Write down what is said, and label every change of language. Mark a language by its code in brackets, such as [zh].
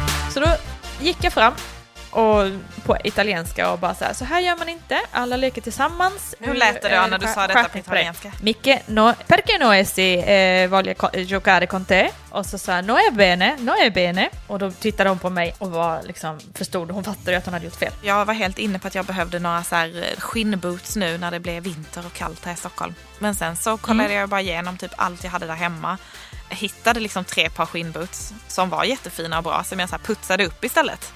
[sv] Så då gick jag fram och på italienska och bara så här gör man inte. Alla leker tillsammans. Hur lät det då när du sa detta på italienska? [it] Micke, no, perché no si voglio giocare con te? [sv] Och så sa [it] no è bene, no è bene. [sv] Och då tittade hon på mig och var liksom, förstod, hon fattade att hon hade gjort fel. Jag var helt inne på att jag behövde några så här skinnboots nu när det blev vinter och kallt här i Stockholm. Men sen så kollade jag bara igenom typ allt jag hade där hemma. Hittade liksom tre par skinnboots som var jättefina och bra, som jag så här putsade upp istället.